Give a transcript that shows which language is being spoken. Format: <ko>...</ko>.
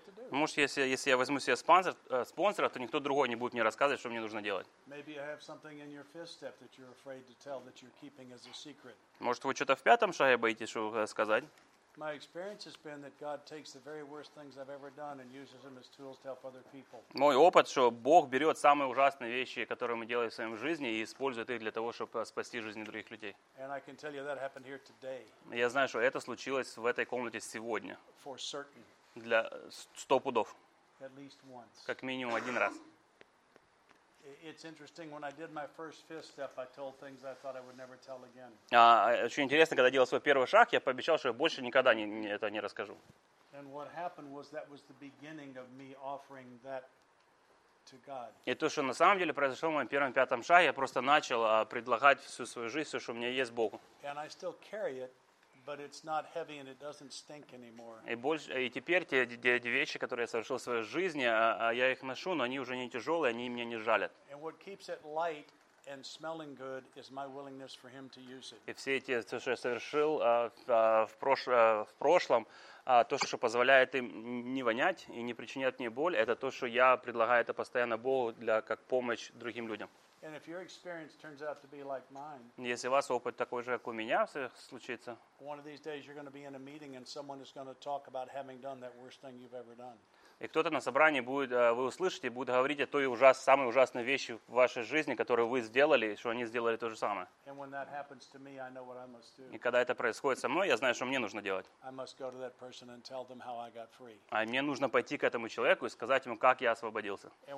<ru>Может, если я возьму себе спонсора, то никто другой не будет мне рассказывать, что мне нужно делать. Может, вы что-то в 5-м шаге боитесь, что сказать?</ru> <en>My experience has been that God takes the very worst things I've ever done and uses them as tools to help other people.</en> <ru>Мой опыт, что Бог берет самые ужасные вещи, которые мы делаем в своем жизни, и использует их для того, чтобы спасти жизни других людей.</ru> <en>And I can tell you that happened here today.</en> <ru>Я знаю, что это случилось в этой комнате сегодня.</ru> <en>For certain.</en> <ru>Для 100 пудов.</ru> <en>At least once.</en> <ru>Как минимум один раз.</ru> <en>It's interesting when I did my first fifth step, I told things I thought I would never tell again.</en> <ru>Очень интересно, когда делал свой первый шаг, я пообещал, что я больше никогда не расскажу.</ru> <en>And what happened was that was the beginning of me offering that to God.</en> <ru>И то, что на самом деле произошло в моем первом 5-м шаге, я просто начал предлагать всю свою жизнь, все, что у меня есть, Богу.</ru> <en>And I still carry it, but it's not heavy and it doesn't stink anymore.</en> <ru>И теперь те вещи, которые я совершил в своей жизни, я их ношу, но они уже не тяжелые, они меня не жалят.</ru> <en>And what keeps it light and smelling good is my willingness for him to use it.</en> <ru>И все эти, что я совершил в прошлом, То, что позволяет им не вонять и не причинять мне боль, это то, что я предлагаю это постоянно Богу для, как помощь другим людям.</ru> <en>And if your experience turns out to be like mine,</en> <ru>если у вас опыт такой же, как у меня, случится,</ru> <en>one of these days you're going to be in a meeting and someone is going to talk about having done that worst thing you've ever done.</en> <ru>И кто-то на собрании будет, вы услышите, будет говорить о той самой ужасной вещи в вашей жизни, которую вы сделали, что они сделали то же самое. И когда это происходит со мной, я знаю, что мне нужно делать. А мне нужно пойти к этому человеку и сказать ему, как я освободился.</ru>